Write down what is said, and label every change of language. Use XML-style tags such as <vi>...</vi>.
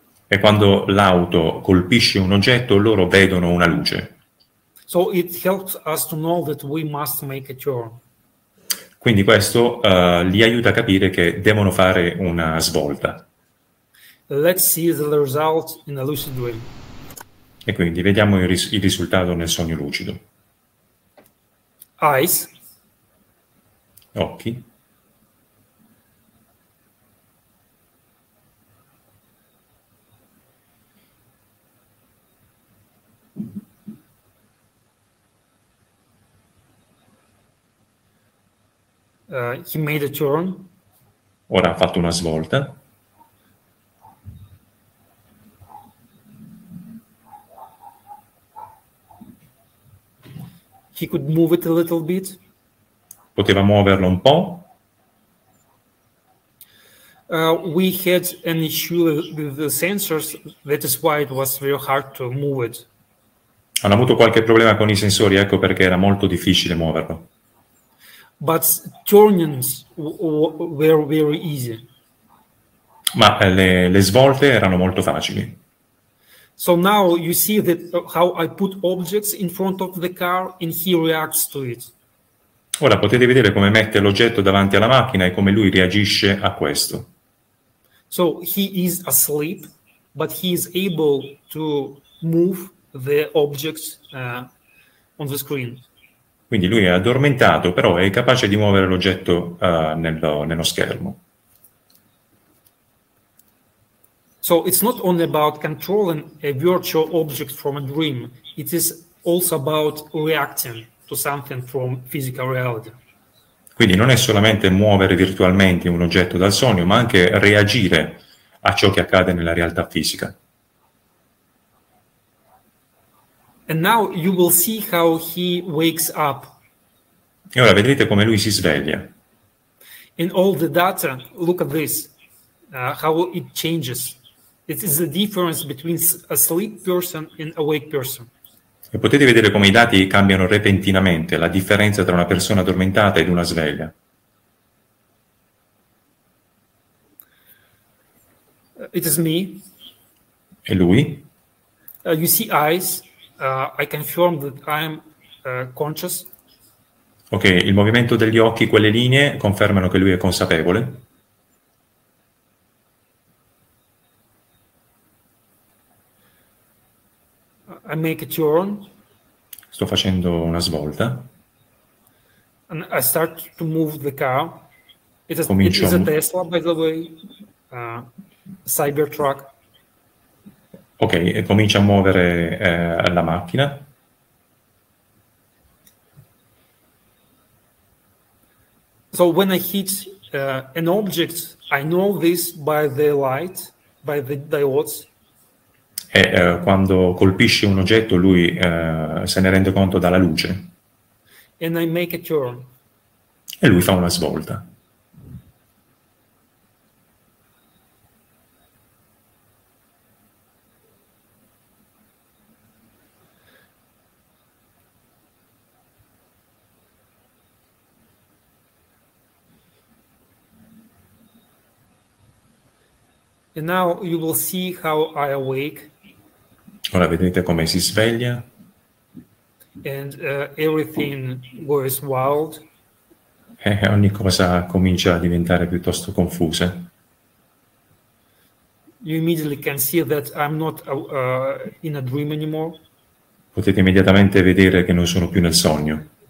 <it>E quando l'auto colpisce un oggetto, loro vedono una luce.</it> <en>So it helps us to know that we must make a turn.</en> <it>Quindi questo li aiuta a capire che devono fare una svolta.</it> <en>Let's see the result in a lucid dream.</en> <it>E quindi vediamo il risultato nel sogno lucido.</it> <en>Eyes.</en> <it>Occhi.</it> <en>He made a turn.</en> <it>Ora ha fatto una svolta.</it> <en>He could move it a little bit.</en> <it>Poteva muoverlo un po'.</it> <en>We had an issue with the sensors, that is why it was very hard to move it.</en> <it>Hanno avuto qualche problema con i sensori, ecco perché era molto difficile muoverlo.</it> <en>But turnings were very easy.</en> <it>Ma le svolte erano molto facili.</it> <en>So now you see that how I put objects in front of the car and he reacts to it.</en> <it>Ora potete vedere come mette l'oggetto davanti alla macchina e come lui reagisce a questo.</it> <en>So he is asleep, but he is able to move the objects on the screen.</en> <it>Quindi lui è addormentato, però è capace di muovere l'oggetto nello schermo.</it> <en>So it's not only about controlling a virtual object from a dream, it is also about reacting to something from physical reality.</en> <it>Quindi non è solamente muovere virtualmente un oggetto dal sogno, ma anche reagire a ciò che accade nella realtà fisica.</it> <en>And now you will see how he wakes up.</en> <it>E ora vedrete come lui si sveglia.</it> <en>In all the data, look at this, how it changes. It is the difference between a sleep person and awake person.</en> <it>E potete vedere come i dati cambiano repentinamente, la differenza tra una persona addormentata ed una sveglia.</it> <en>It is me.</en> <it>E lui.</it> <en>You see eyes. I confirm that I am conscious.</en> <it>Ok, il movimento degli occhi, quelle linee, confermano che lui è consapevole.</it> <en>I make a turn.</en> <it>Sto facendo una svolta.</it> <en>And I start to move the car. It is a Tesla, by the way, Cybertruck.</en> <it>Ok, e comincia a muovere la macchina. A</it> <en>So when I hit an object, I know this by the light, by the diodes.</en> <it>E quando colpisce un oggetto, lui se ne rende conto dalla luce.</it> <en>And I make a turn.</en> <it>E lui fa una svolta.</it> <en>And now you will see how I awake.</en> <it>Ora vedete come si sveglia.</it> <en>And everything goes wild.</en> <it>E ogni cosa comincia a diventare piuttosto confusa.</it> <en>You immediately can see that I'm not in a dream anymore.</en> <it>Potete immediatamente vedere che non sono più nel sogno.</it>